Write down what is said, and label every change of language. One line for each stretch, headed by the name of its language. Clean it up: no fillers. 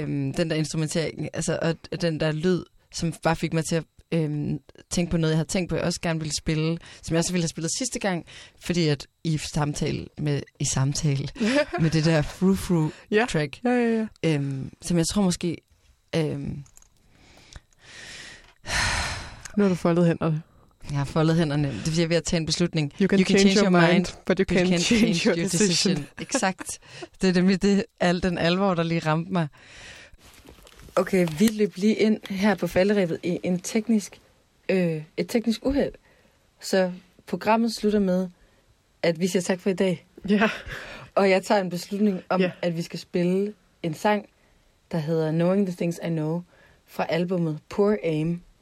Danish: Den der instrumentering, altså, og den der lyd, som bare fik mig til at tænke på noget, jeg havde tænkt på, jeg også gerne ville spille, som jeg også ville have spillet sidste gang, fordi at i samtale med det der frou-frou-track, ja. Ja, ja, ja. Som jeg tror måske... Nu har du foldet hænderne. Jeg har foldet hænderne. Det vil sige, at vi har taget en beslutning.
English: You can change your mind, but you can't change your decision.
Danish: Exakt. Det er nemlig det, al den alvor, der lige ramte mig. Okay, vi løb lige ind her på falderibet i en teknisk, et teknisk uheld. Så programmet slutter med, at vi siger tak for i dag. Ja. Yeah. Og jeg tager en beslutning om, yeah, at vi skal spille en sang, der hedder Knowing the Things I Know fra albumet Poor Aim.